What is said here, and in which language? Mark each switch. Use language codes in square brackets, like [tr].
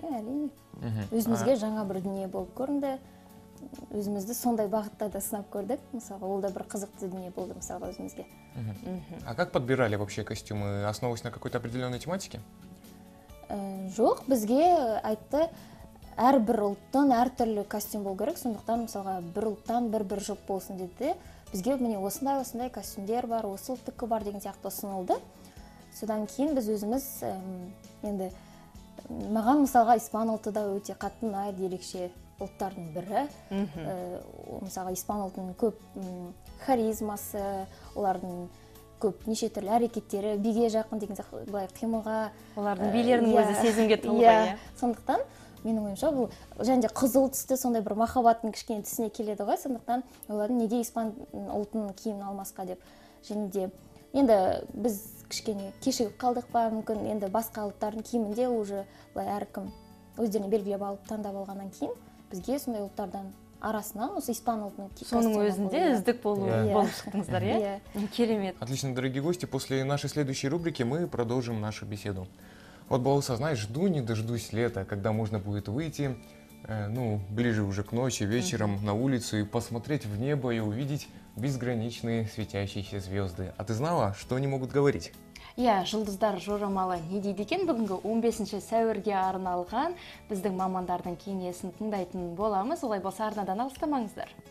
[kk] әрине. Өзімізге жаңа бір дүние болып көрінді. өзімізді сондай бағытта да сынап көрдік. Мысалы, ол да бір қызықты дүние болды мысалы өзімізге. [ru] А как подбирали вообще костюмы? Основываясь на какой-то определенной тематике? [kk] Жоқ, бізге айтты, әр бір ұлттан әр түрлі костюм болу керек, сондықтан мысалға бір ұлттан бір-бір жұп болсын деді. Бізге міне осындай-осындай костюмдер бар, осы ұлттыққа бар деген сияқты ұсынылды. Содан кейін біз өзіміз, енді маған мысалға испан ұлты да өте қатты ұнайды, ерекше ұлттардың бірі. Мысалға испан ұлтының көп харизмасы, олардың көп неше түрлі әрекеттері, биге жақын деген сияқты, былай қимылға, олардың билерінің өзі сезімге толы ғой. Сондықтан менің ойымша бұл және де қызыл түсті сондай бір махаббаттың кішкене түсіне келеді ғой, сондықтан олардың неге испан ұлтының киімін алмасқа деп. Және де енді біз кішкене кешігіп қалдық па, мүмкін енді басқа ұлттардың киімінде уже былай әркім өздеріне белгілеп алып таңдап алғаннан кейін бізге сондай ұлттардан арасынан осы испан ұлтының костюмі. Соның өзінде үздік болып шықтыңыздар, иә? Керемет. [ru] Отлично, дорогие гости, после нашей следующей рубрики мы продолжим нашу беседу. Вот, Балуса, знаешь, жду не дождусь лета, когда можно будет выйти, ну, ближе уже к ночи, вечером на улицу и посмотреть в небо и увидеть безграничные светящиеся звезды. А ты знала, что они могут говорить? [kk] Иә, жұлдыздар жорамалы не дейді екен, бүгінгі 15 сәуірге арналған біздің мамандардың кеңесін тыңдайтын боламыз. Олай болса, арнадан алыстамаңыздар.